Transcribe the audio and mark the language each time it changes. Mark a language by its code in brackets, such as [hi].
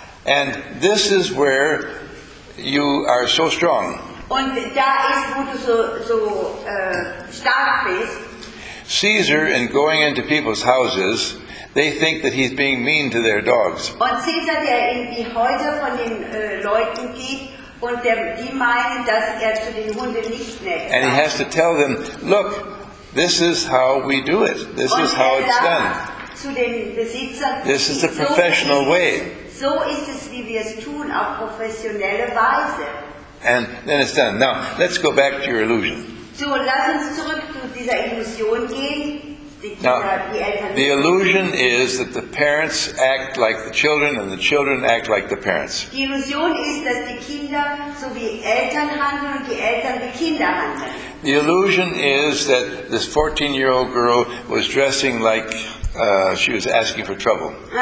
[en] And this is where you are so strong. [de] Und da ist, wo du stark bist. [en] Caesar, in going into people's houses, they think that he's being mean to their dogs. [de] Und Caesar, der in die Häuser von den Leuten geht, und die meinen, dass zu den Hunden nicht nett. [en] And he has to tell them, look, this is how we do it. This is how it's done. [de] Zu den Besitzern, [en] this is a professional way. [de] So ist es, wie wir es tun, auf professionelle Weise. [en] And then it's done. Now, let's go back to your illusion. [de] So, lass uns zurück zu dieser Illusion gehen. [en] Now, the illusion is that the parents act like the children and the children act like the parents. [de] Die Illusion ist, dass die Kinder so wie Eltern handeln und die Eltern wie Kinder handeln. [en] The illusion is that this 14-year-old girl was dressing like she was asking for trouble.